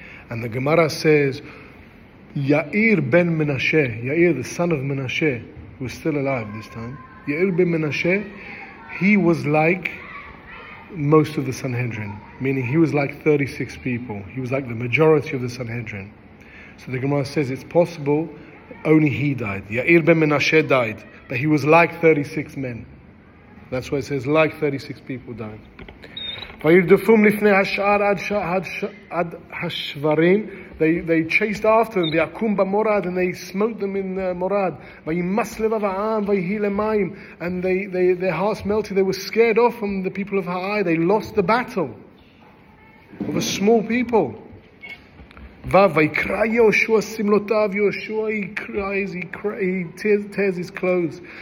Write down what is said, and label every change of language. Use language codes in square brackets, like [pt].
[en] And the Gemara says, Ya'ir ben Menashe, Ya'ir, the son of Menashe, who is still alive this time, Ya'ir ben Menashe, he was like most of the Sanhedrin, meaning he was like 36 people. He was like the majority of the Sanhedrin. So the Gemara says it's possible only he died. Ya'ir ben Menashe died, but he was like 36 men. That's why it says like 36 people died. [he] וירדפום לפני השאר עד השברים. [en] They chased after them. [he] ויקום במורד, [en] and they smote them in [he] מורד. וימס לבב העם, ויהי למים. [en] And their hearts melted. They were scared off from the people of Ha'ai. They lost the battle of a small people. [he] ויקרא יהושע סמלותיו. יהושע, [en] he tears his clothes.